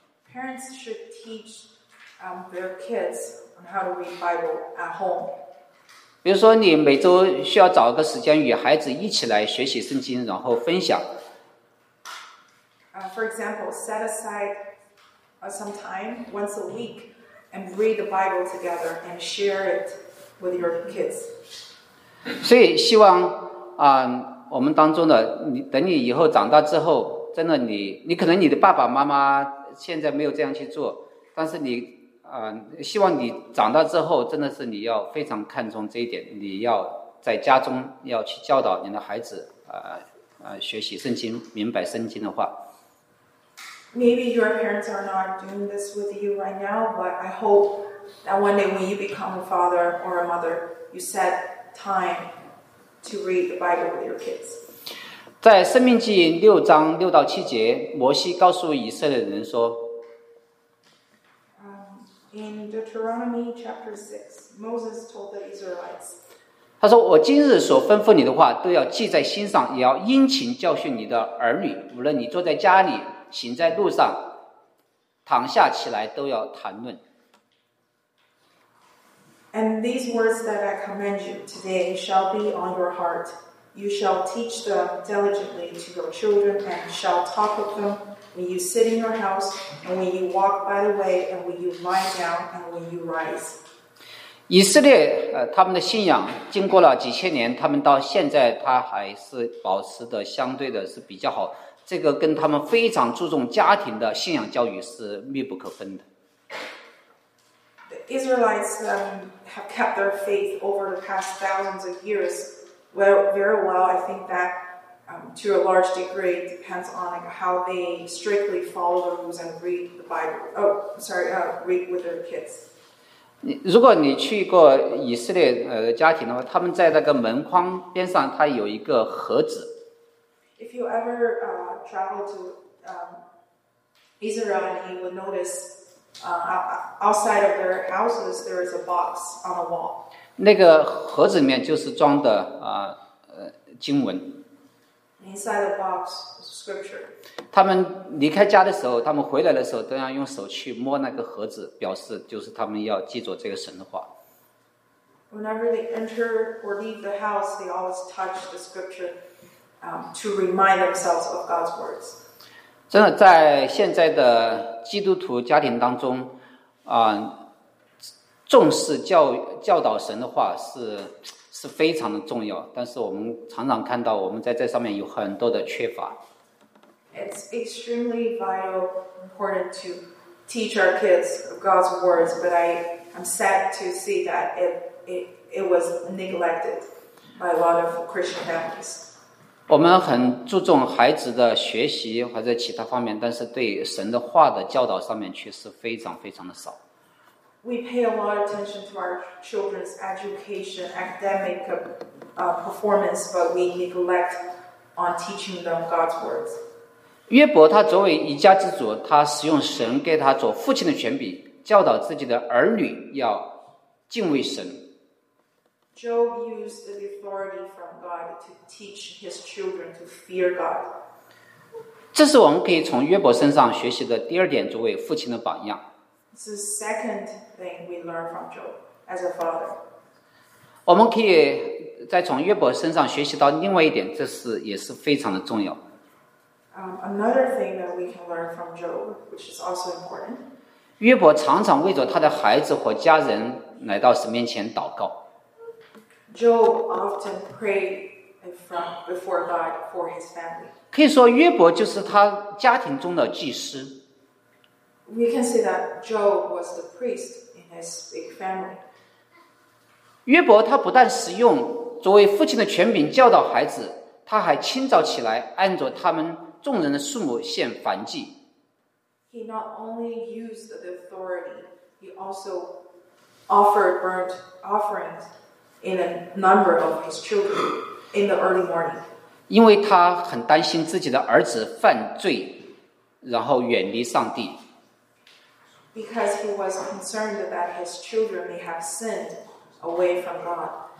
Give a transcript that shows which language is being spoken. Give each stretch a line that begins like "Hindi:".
English: Parents should. Teach their kids on how to read Bible at home.
Chinese: 比如说，你每周需要找个时间与孩子一起来学习圣经，然后分享。
English: for example, set aside some time once a week and read the Bible together and share it with your kids.
Chinese: 所以希望、我们当中的你等你以后长大之后真的你可能你的爸爸妈妈现在没有这样去做但是你、希望你长大之后真的是你要非常看重这一点你要在家中要去教导你的孩子、学习圣经明白圣经的话
English: Maybe your parents are not doing this with you right now but I hope that one day when you become a father or a mother you set time to read the Bible with your kids
Chinese: 在《生命记》六章六到七节，摩西告诉以色列人说
English: ：“In Deuteronomy chapter six, Moses told the Israelites.
Chinese: 他说：我今日所吩咐你的话，都要记在心上，也要殷勤教训你的儿女。无论你坐在家里，行在路上，躺下起来，都要谈论。
English: And these words that I command you today shall be on your heart.” You shall teach them diligently to your children and shall talk of them when you sit in your house and when you walk by the way and when you lie down and when you rise.
Chinese: 以色列、他们的信仰经过了几千年他们到现在他还是保持的相对的是比较好这个跟他们非常注重家庭的信仰教育是密不可分的。
English: The Israelites、have kept their faith over the past thousands of years. Well, very well, I think that、to a large degree depends on like, how they strictly follow the rules and read the Bible. Read with their kids.
Chinese: 如果你去过以色列、家庭的话他们在那个门框边上他有一个盒子。
English: If you ever、travel to、Israel, you would notice、outside of their houses, there is a box on a wall.
Chinese: 那个盒子里面就是装的、经文
English: Inside the box, scripture.
Chinese: 他们离开家的时候他们回来的时候都要用手去摸那个盒子表示就是他们要记住这个神的话
English: Whenever they enter or leave the house they always touch the scripture、to remind themselves of God's words
Chinese: 真的在现在的基督徒家庭当中啊、重视 教导神的话 是非常的重要但是我们常常看到我们在这上面有很多的缺乏
English: It's extremely vital important to teach our kids God's words but I'm sad to see that it was neglected by a lot of Christian families
Chinese: 我们很注重孩子的学习或者其他方面但是对神的话的教导上面却是非常非常的少
English: We pay a lot of attention to our children's education, academic performance, but we neglect on teaching them God's words.
Chinese: 约伯他作为一家之主，他使用神给他做父亲的权柄，教导自己的儿女要敬畏神。
English: Job used the authority from God to teach his children to fear God.
Chinese: 这是我们可以从约伯身上学习的第二点，作为父亲的榜样。
English: It's the second thing we learn from Job as a father.
Chinese: 我们可以再从约伯身上学习到另外一点，这是也是非常的重要。
English: Another thing that we can learn from Job, which is also important.
Chinese: 约伯常常为着他的孩子和家人来到神面前祷告。
English: Job often prayed before God for his family.
Chinese: 可以说约伯就是他家庭中的祭司。
English: We can say that Job was the priest in his big family.
Chinese: 约伯他不但使用作为父亲的权柄教导孩子，他还清早起来按着他们众人的数目献燔祭。
English: He not only used the authority, he also offered burnt offerings in a number of his children in the early morning.
Chinese: 因为他很担心自己的儿子犯罪，然后远离上帝。
English: Because he was concerned that his children may have sinned away from God.